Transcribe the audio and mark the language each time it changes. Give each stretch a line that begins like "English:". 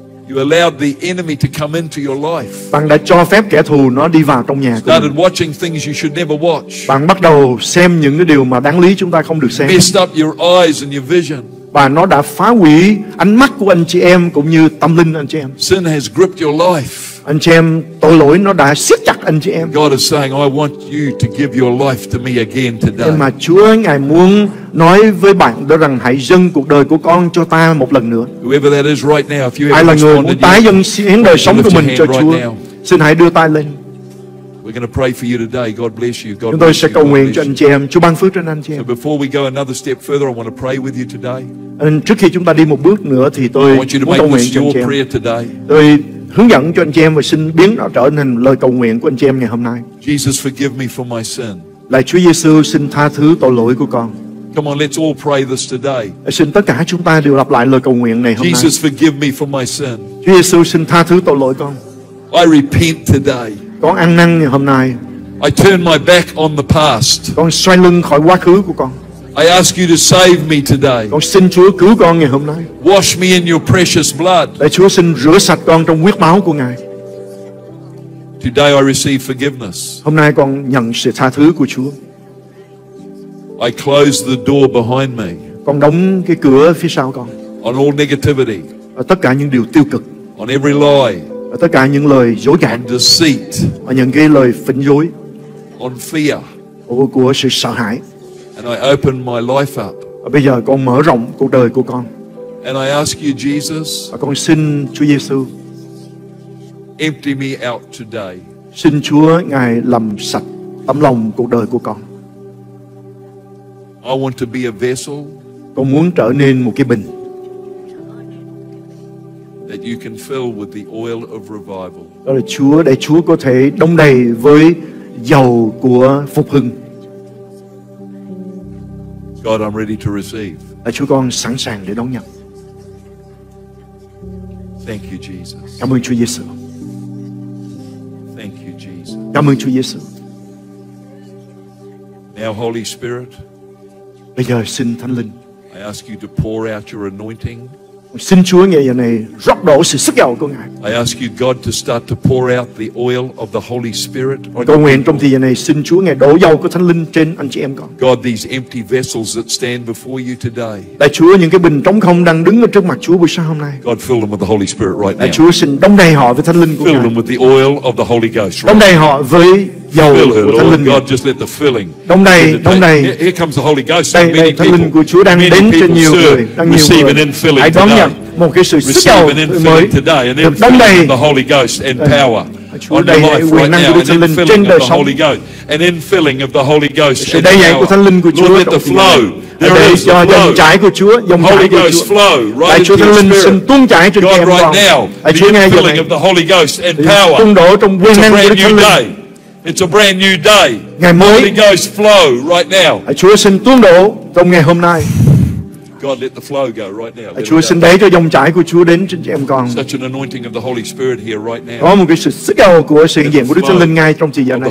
English: You allowed the enemy to come into your life.
Vietnamese: Bạn đã cho phép kẻ thù nó đi vào trong nhà của mình.
English: Watching things you should never watch.
Vietnamese: Bạn bắt đầu xem những cái điều mà đáng lý chúng ta không được xem.
English: Messed up your eyes and your vision.
Vietnamese: Và nó đã phá hủy ánh mắt của anh chị em cũng như tâm linh anh chị em.
English: Sin has gripped your life.
Vietnamese: Anh chị em, tội lỗi nó đã siết chặt anh chị em.
English: God is saying, I want you to give your life to me again today.
Vietnamese: Nhưng mà Chúa ngài muốn nói với bạn đó rằng hãy dâng cuộc đời của con cho ta một lần nữa.
English: Whoever that is right now, if you
Vietnamese: ai là người muốn tái dâng hiến đời sống của mình cho Chúa, xin hãy đưa tay lên.
English: We're going to pray for you today. God bless you.
Vietnamese: Chúng tôi sẽ cầu nguyện cho anh chị em. Chúa ban phước cho anh chị em.
English: So before we go another step further, I want to pray with you today.
Vietnamese: Trước khi chúng ta đi một bước nữa thì tôi muốn cầu nguyện cho anh chị em. Tôi hướng dẫn cho anh chị em và xin biến nó trở thành lời cầu nguyện của anh chị em ngày hôm nay.
English: Jesus, forgive me for my sin.
Vietnamese: Lạy Chúa Giêsu, xin tha thứ tội lỗi của con.
English: Come on, let's all pray this today.
Vietnamese: Xin tất cả chúng ta đều lặp lại lời cầu nguyện này hôm
English: Jesus,
Vietnamese: nay.
English: Jesus, forgive me for my sin.
Vietnamese: Chúa Giêsu, xin tha thứ tội lỗi con.
English: I repent today.
Vietnamese: Con ăn năn ngày hôm nay.
English: I turn my back on the past.
Vietnamese: Con xoay lưng khỏi quá khứ của con.
English: I ask you to save me today.
Vietnamese: Con xin Chúa cứu con ngày hôm nay.
English: Wash me in your precious blood.
Vietnamese: Lạy Chúa, xin rửa sạch con trong huyết máu của Ngài.
English: Today I receive forgiveness.
Vietnamese: Hôm nay con nhận sự tha thứ của Chúa.
English: I close the door behind me.
Vietnamese: Con đóng cái cửa phía sau con.
English: On all negativity.
Vietnamese: Ở tất cả những điều tiêu cực.
English: On every lie.
Vietnamese: Ở tất cả những lời dối gạt.
English: On deceit.
Vietnamese: Ở những cái lời phỉnh dối.
English: On fear.
Vietnamese: Của sự sợ hãi.
English: And I open my life up.
Vietnamese: Bây giờ con mở rộng cuộc đời của con.
English: And I ask you, Jesus.
Vietnamese: Con xin Chúa Giêsu.
English: Empty me out today.
Vietnamese: Xin Chúa ngài làm sạch tấm lòng cuộc đời của con.
English: I want to be a vessel.
Vietnamese: Con muốn trở nên một cái bình.
English: That you can fill with the oil of revival.
Vietnamese: Đó là Chúa để Chúa có thể đông đầy với dầu của phục hưng.
English: God, I'm ready to receive.
Vietnamese: Chúa, con sẵn sàng để đón nhận.
English: Thank you, Jesus.
Vietnamese: Cảm ơn Chúa Giêsu.
English: Thank you, Jesus.
Vietnamese: Cảm ơn Chúa Giêsu.
English: Now, Holy Spirit.
Vietnamese: Bây giờ, xin Thánh Linh.
English: I ask you to pour out your anointing.
Vietnamese: Xin Chúa ngày giờ này rót đổ sự sức dầu của Ngài.
English: I ask you, God, to start to pour out the oil of the Holy Spirit.
Vietnamese: Cầu nguyện trong thời gian này, xin Chúa ngài đổ dầu của Thánh Linh trên anh chị em con.
English: God, these empty vessels that stand before you today.
Vietnamese: Lạy Chúa, những cái bình trống không đang đứng ở trước mặt Chúa buổi sáng hôm nay.
English: God, fill them with the Holy Spirit right now.
Vietnamese: Lạy Chúa, xin đông đầy họ với Thánh Linh của Ngài.
English: Fill them with the oil of the Holy Ghost.
Vietnamese: Đông đầy họ với dầu của Thánh Linh.
English: God, just let the filling.
Vietnamese: Đông đầy, đông đầy.
English: Here comes the Holy Ghost.
Vietnamese: Đây,
English: many
Vietnamese: Thánh Linh của Chúa đang đến cho nhiều người, đang nhiều người. Hãy đón nhận một cái sự sức dầu mới. Đông đầy
English: the Holy Ghost and power.
Vietnamese: On đầy quyền năng của Thánh Linh trên đời sống.
English: An infilling of the Holy Ghost.
Vietnamese: Sự đầy dạy của Thánh Linh của Chúa.
English: Lord, let the flow.
Vietnamese: Để cho dòng chảy của Chúa, dòng chảy của Chúa. Lạy Chúa Thánh Linh, xin tuôn chảy trên trời
English: right now.
Vietnamese: Lạy Chúa ngay giờ này. Tuôn đổ trong quyền năng của Thánh Linh.
English: It's a brand new day.
Vietnamese: Ngày mới.
English: Holy Ghost flow right now.
Vietnamese: Chúa xin tuôn đổ trong ngày hôm nay.
English: God let the flow go right now.
Vietnamese: Chúa xin đẩy cho dòng chảy của Chúa đến trên trẻ em con.
English: Such an anointing of the Holy Spirit here right now.
Vietnamese: Có một cái sự sức dầu của sự hiện diện của Đức Thánh Linh ngay trong thời gian này.